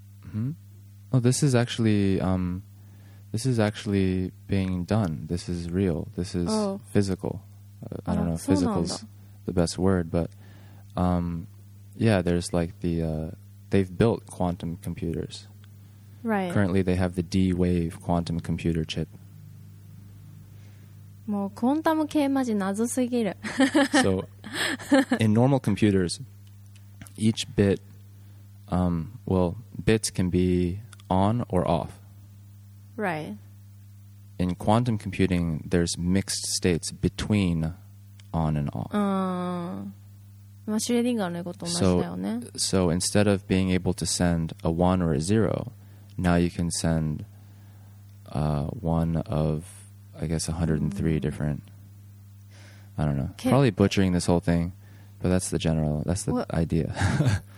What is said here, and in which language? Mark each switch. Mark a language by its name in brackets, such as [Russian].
[English] Hmm. Oh, this is actually this is actually being done. This is real. This is physical. I don't know if physical is the best word, but yeah, there's like the they've built quantum computers. Right. Currently, they have the D-Wave quantum computer chip. [Japanese] もうクォンタム系マジ謎すぎる。 [English] So, in normal computers, each bit, well, bits can be on or off. Right. In quantum computing, there's mixed states between on and off. [Japanese] まあ、シュレディンガーのこと同じだよね。 [English] So instead of being able to send a 1 or a 0, now you can send one of, I guess, 103 different, I don't know, probably butchering this whole thing, but that's the general, that's the idea.